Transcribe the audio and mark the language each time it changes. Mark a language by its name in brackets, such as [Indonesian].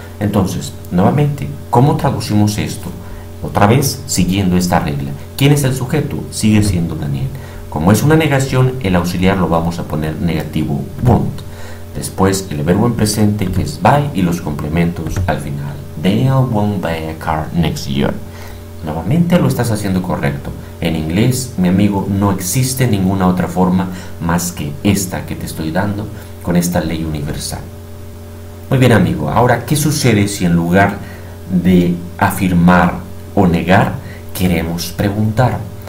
[Spanish] Entonces, nuevamente, ¿cómo traducimos esto? Otra vez, siguiendo esta regla. ¿Quién es el sujeto? Sigue siendo Daniel. Como es una negación, el auxiliar lo vamos a poner negativo, won't. Después, el verbo en presente, que es buy, y los complementos al final. [English] Daniel won't buy a car next year. [Spanish] Nuevamente lo estás haciendo correcto. En inglés, mi amigo, no existe ninguna otra forma más que esta que te estoy dando con esta ley universal. Muy bien, amigo. Ahora, ¿qué sucede si en lugar de afirmar o negar, queremos preguntar?